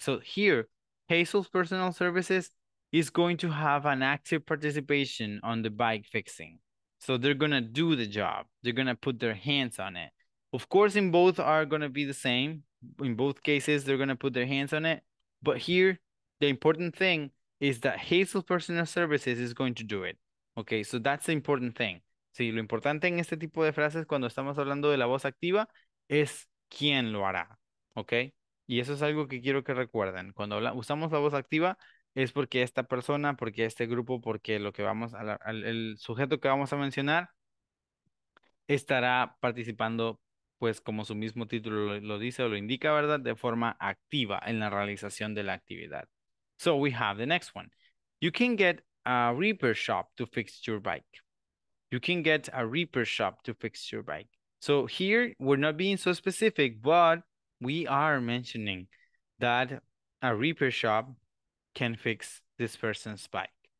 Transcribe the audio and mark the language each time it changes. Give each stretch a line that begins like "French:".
English: So here, Hazel's personal services is going to have an active participation on the bike fixing. So they're going to do the job. They're going to put their hands on it. Of course, in both are going to be the same. In both cases, they're going to put their hands on it. But here, the important thing is that Hazel's personal services is going to do it. Okay, so that's the important thing.
Spanish: Sí, lo importante en este tipo de frases cuando estamos hablando de la voz activa es quién lo hará. Okay, y eso es algo que quiero que recuerden. Cuando usamos la voz activa es porque esta persona, porque este grupo, porque lo que vamos a el sujeto que vamos a mencionar estará participando, pues como su mismo título lo dice o lo indica, ¿verdad? De forma activa en la realización de la actividad.
English: So we have the next one. You can get a repair shop to fix your bike. You can get a repair shop to fix your bike. So here we're not being so specific, but we are mentioning that a repair shop can fix this person's bike.